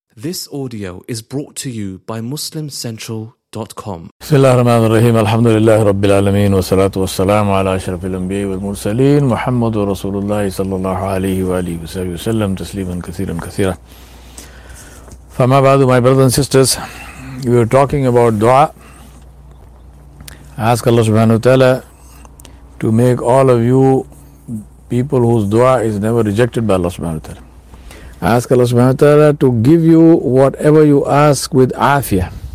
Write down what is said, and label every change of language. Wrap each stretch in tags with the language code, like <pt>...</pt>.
<en>This audio is brought to you by MuslimCentral.com.</en> <ar>بسم الله الرحمن الرحيم الحمد لله رب العالمين والصلاة والسلام على أشرف الأنبياء والمرسلين محمد ورسول الله صلى الله عليه وآله وسلم تسليما كثيرا كثيرا. فما بعد,</ar> <en>my brothers and sisters, we were talking about dua. Ask Allah subhanahu wa ta'ala to make all of you people whose dua is never rejected by Allah subhanahu wa ta'ala. Ask Allah subhanahu wa ta'ala to give you whatever you ask with afiyah.</en>